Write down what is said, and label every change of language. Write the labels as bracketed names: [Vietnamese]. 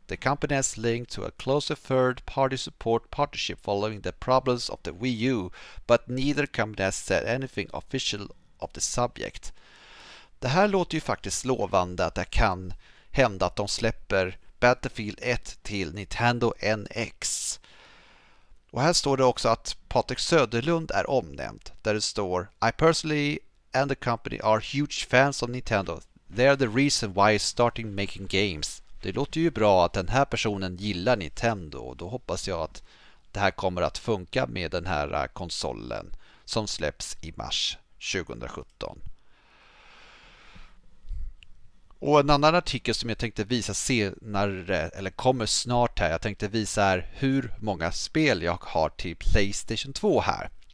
[English] The company has linked to a closer third-party support partnership following the problems of the Wii U, but neither company has said anything official of the subject. [Swedish] Det här låter ju faktiskt lovande att det kan hända att de släpper Battlefield 1 till Nintendo NX. Och här står det också att Patrik Söderlund är omnämnd, där det står [English] I personally and the company are huge fans of Nintendo. They are the reason why I started making games. [Swedish] Det låter ju bra att den här personen gillar Nintendo, och då hoppas jag att det här kommer att funka med den här konsolen som släpps i mars 2017. Och en annan artikel som jag tänkte visa senare, eller kommer snart här, jag tänkte visa är hur många spel jag har till PlayStation 2 här.